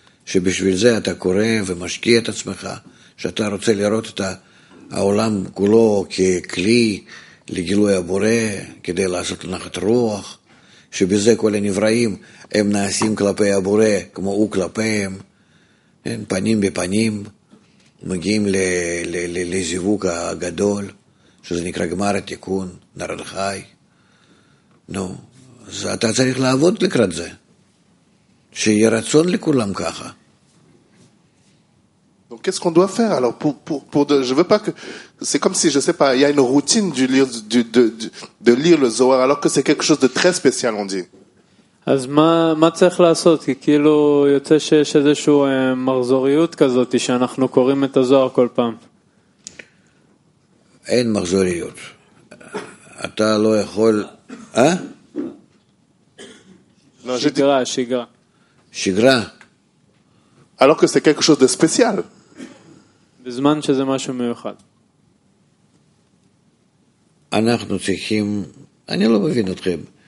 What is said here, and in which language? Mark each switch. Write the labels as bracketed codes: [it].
[he] שבשביל זה אתה קורא ומשקיע את עצמך, שאתה רוצה לראות את העולם כולו ככלי לגילוי הבורא, כדי לעשות נחת רוח, שבזה כל הנבראים הם נעשים כלפי הבורא, כמו הוא כלפיהם, פנים בפנים, מגיעים לזיווג הגדול, שזה נקרא גמר התיקון, נרד חי. נו, אז אתה צריך לעבוד לקראת זה, שיהיה רצון לכולם ככה. [fr] Donc qu'est-ce qu'on doit faire alors pour de, je veux pas que c'est comme si je sais pas il y a une routine du lire de lire le Zohar alors que c'est quelque chose de très spécial on dit. [he] אז מה צריך לעשות? כי כאילו יוצא שיש איזשהו מחזוריות כזאת שאנחנו קוראים את הזוהר כל פעם. אין מחזוריות. אתה לא יכול, אה? שגרה. [fr] alors que c'est quelque chose de spécial. [he] בזמן שזה משהו מיוחד. אנחנו צריכים, אני לא מבין אתכם.